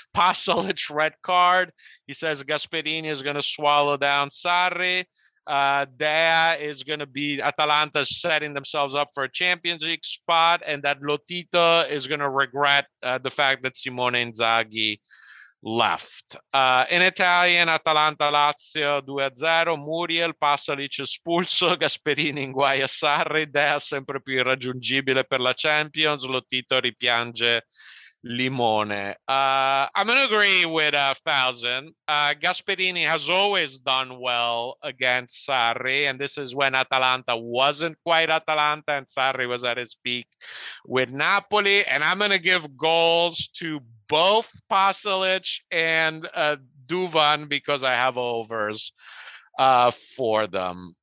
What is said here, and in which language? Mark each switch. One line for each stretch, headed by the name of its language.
English: Pasalic, red card. He says Gasperini is going to swallow down Sarri. Dea is going to be Atalanta setting themselves up for a Champions League spot. And that Lotito is going to regret the fact that Simone Inzaghi left. In Italian,
Italian: Atalanta-Lazio 2-0, Muriel, Pasalic espulso, Gasperini in guai a Sarri, Dea sempre più irraggiungibile per la Champions, Lotito ripiange Limone.
English: I'm going to agree with 1,000. Gasperini has always done well against Sarri, and this is when Atalanta wasn't quite Atalanta and Sarri was at his peak with Napoli, and I'm going to give goals to both Pasalic and Duvan because I have overs for them.